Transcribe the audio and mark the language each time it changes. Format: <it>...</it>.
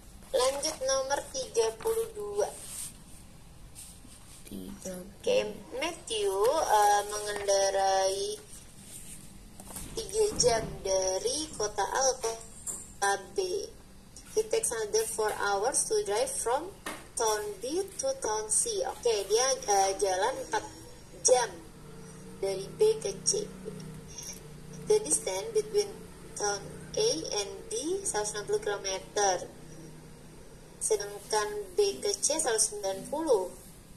<id>Lanjut nomor 32. Oke, Matthew mengendarai 3 jam dari kota A ke kota B.</id> <en>He takes another 4 hours to drive from town B to town C.</en> <id>Oke, dia jalan 4 jam dari B ke C.</id> <en>The distance between town A and B 160 km,</en> <id>sedangkan B ke C 190.</id>